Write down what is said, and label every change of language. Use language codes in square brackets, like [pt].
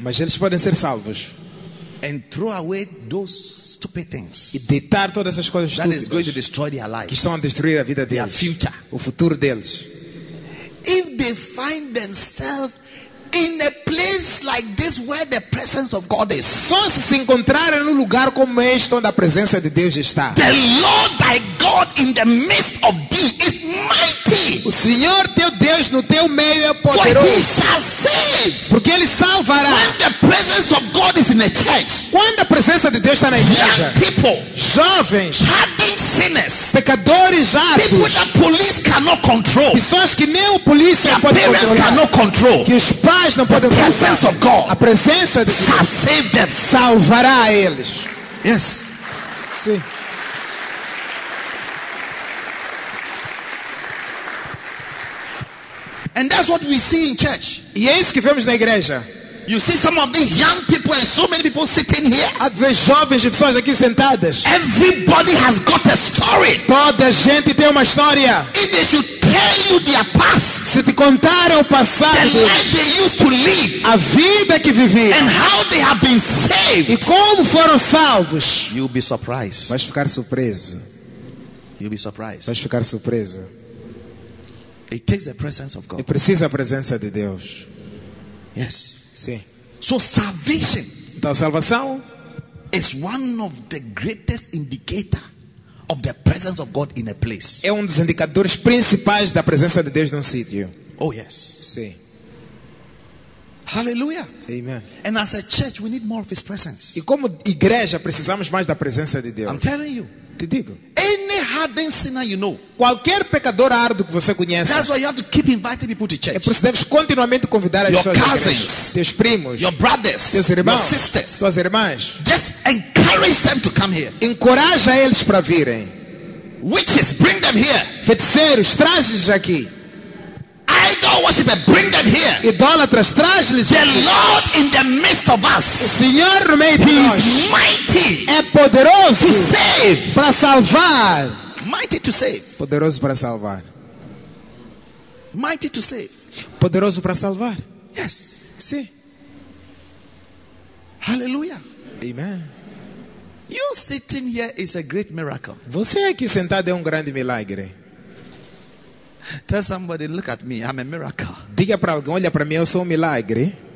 [pt] Mas eles podem ser salvos. [en] And throw away those stupid things. [pt] E deitar todas essas coisas [en] that [pt] estúpidas [en] is going to destroy their life. [pt] Que estão a destruir a vida deles. [en] Their future. [pt] O futuro deles. [en] If they find themselves in a place like this where the presence of God is. [pt] Só se encontrarem num lugar como este onde a presença de Deus está. [en] The Lord thy God in the midst of thee is mighty. [pt] O Senhor teu Deus no teu meio é poderoso. Porque ele salvará. [en] When the presence of God is in a church. [pt] Quando a presença de Deus está na igreja. [en] Young people, [pt] jovens. [en] Hardened sinners. [pt] Pecadores hardos. [en] People that police cannot control. [pt] Pessoas que nem a polícia pode controlar. Que os pais não podem controlar. [en] Presence of God. [pt] A presença de Deus [en] save them. [pt] Salvará eles. [en] Yes. [pt] Sim. [en] And that's what we see in church. [pt] E é isso que vemos na igreja. [en] You see some of these young people and so many people sitting here. [pt] Há de ver jovens e pessoas aqui sentadas. [en] Everybody has got a story. [pt] Toda a gente tem uma história. [en] If they should tell you their past. [pt] Se te contarem o passado. [en] The life they used to live. [pt] A vida que viviam. [en] And how they have been saved. [pt] E como foram salvos. [en] You'll be surprised. [pt] Vais ficar surpreso. [en] You'll be surprised. [pt] Vais ficar surpreso. [en] It takes the presence of God. [pt] E precisa a presença de Deus. [en] Yes. [pt] Sim. [en] So salvation. [pt] Então, salvação [en] is one of the greatest indicator of the presence of God in a place. [pt] É dos indicadores principais da presença de Deus num sítio. [en] Oh yes. [pt] Sim. [en] Hallelujah. [pt] Amen. [en] And as a church, we need more of His presence. [pt] E como igreja precisamos mais da presença de Deus. [en] I'm telling you. [pt] Te digo. [en] Any hardened sinner you know. [pt] Qualquer pecador árduo que você conhece. [en] That's why you have to keep inviting people to church. [pt] É por isso que deves continuamente convidar as pessoas. [en] Your cousins, [pt] teus primos, [en] your brothers, [pt] teus irmãos, [en] your sisters, [pt] suas irmãs. [en] Just encourage them to come here. [pt] Encoraja eles para virem. [en] Witches, bring them here. [pt] Feiticeiros, traze-os aqui. [en] Idol worshipers, bring them here. [pt] Idólatras, traz-lhes. [en] The Lord in the midst of us. [pt] O Senhor no meio de nós. [en] He is mighty. [pt] É poderoso. [en] To save. [pt] Para salvar. [en] Mighty to save. [pt] Poderoso para salvar. [en] Mighty to save. [pt] Poderoso para salvar. [en] Yes. [pt] Sim. [en] Hallelujah. [pt] Amen. [en] You sitting here is a great miracle. [pt] Você aqui sentado é grande milagre. [en] Tell somebody, look at me, I'm a miracle. [pt] Diga para alguém, olha para mim, eu sou milagre.